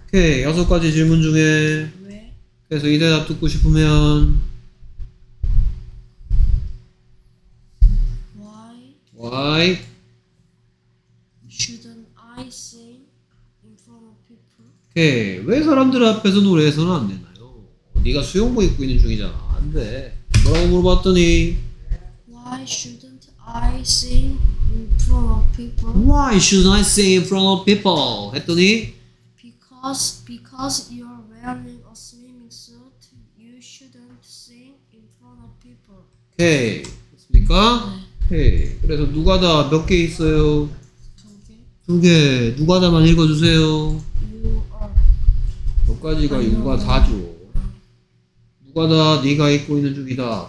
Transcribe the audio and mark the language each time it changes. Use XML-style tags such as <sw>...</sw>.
<ko>오케이 여섯 가지 질문 중에 왜? 그래서 이 대답 듣고 싶으면</ko> <en>Why shouldn't I sing in front of people?</en> <ko>오케이 왜 사람들 앞에서 노래해서는 안 되나요? 네가 수영복 입고 있는 중이잖아. 안 돼. 뭐라고 물어봤더니</ko> <en>Why shouldn't I sing? In front of people. Why should I sing in front of people?</en> <ko>했더니</ko> <en>Because you're wearing a swimming suit, you shouldn't sing in front of people.</en> <ko>Okay. 됐습니까? 네. Okay. 그래서 누가 다 몇 개 있어요? 두 개. 누가 다만 읽어주세요.</ko> <en>You are.</en> <ko>몇 가지가 유가 다죠. 누가 다 네가 입고 있는 중이다.</ko>